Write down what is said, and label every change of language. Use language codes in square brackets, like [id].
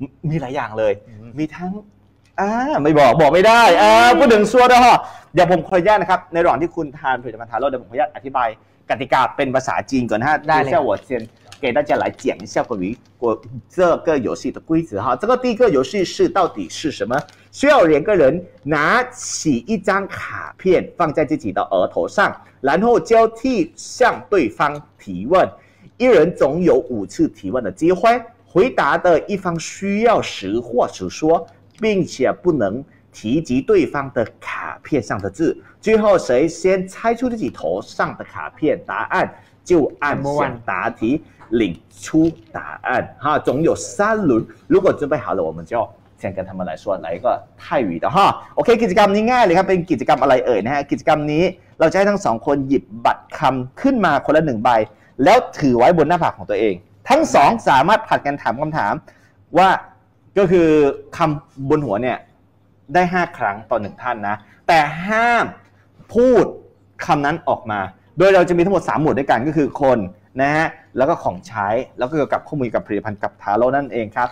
[th] มีหลายอย่างเลย มีทั้งไม่บอกไม่ได้พูดถึงซัวด้วยฮะเดี๋ยวผมขออนุญาตนะครับในระหว่างที่คุณทานผลิตภัณฑ์เราเดี๋ยวผมขออนุญาตอธิบายกติกาเป็นภาษาจีนก่อนฮะ ได้เลย เชื่อว่าเซียน [zh] 给大家来讲一下关于过这个游戏的规则哈这个第一个游戏是到底是什么需要两个人拿起一张卡片放在自己的额头上然后交替向对方提问一人总有五次提问的机会回答的一方需要实话实说并且不能提及对方的卡片上的字最后谁先猜出自己头上的卡片答案就按下答题领出答案哈总有三轮如果准备好了我们就先跟他们来说来一个泰语的哈 OK [th] กิจกรรมนี้ง่ายเลยครับเป็นกิจกรรมอะไรเอ่ยนะฮะกิจกรรมนี้ เราจะให้ทั้งสองคนหยิบบัตรคำขึ้นมาคนละหนึ่งใบแล้วถือไว้บนหน้าผากของตัวเอง ทั้งสองสามารถผัดกันถามคำถามว่าก็คือคำบนหัวเนี่ยได้5ครั้งต่อ1ท่านนะแต่ห้ามพูดคำนั้นออกมาโดยเราจะมีทั้งหมด3หมวดด้วยกันก็คือคนนะฮะแล้วก็ของใช้แล้วก็เกี่ยวกับข้อมูลกับผลิตภัณฑ์กับทาโร่นั่นเองครับ